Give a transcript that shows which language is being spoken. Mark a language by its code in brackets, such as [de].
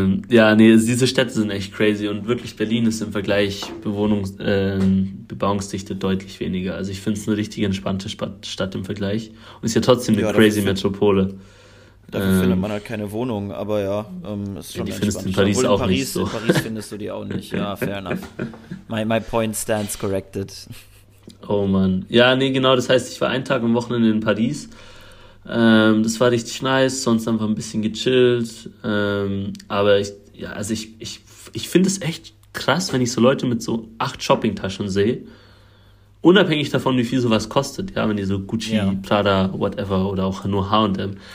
[de] Diese Städte sind echt crazy. Und wirklich, Berlin ist im Vergleich Bebauungsdichte deutlich weniger. Also ich finde es eine richtig entspannte Stadt im Vergleich. Und ist ja trotzdem eine crazy Metropole. Dafür findet man halt keine Wohnung, aber ja, ist schon die entspannt. Findest du in Paris Obwohl auch nicht in so. Paris findest du die auch nicht. [en] Ja, fair enough. My point stands corrected. [de] Oh Mann. Ja, nee, genau, das heißt, ich war einen Tag am Wochenende in Paris. Das war richtig nice, sonst einfach ein bisschen gechillt. Aber ich, ja, also ich finde es echt krass, wenn ich so Leute mit so 8 Shoppingtaschen sehe. Unabhängig davon, wie viel sowas kostet, ja, wenn die so Gucci, ja. Prada, whatever oder auch nur H&M.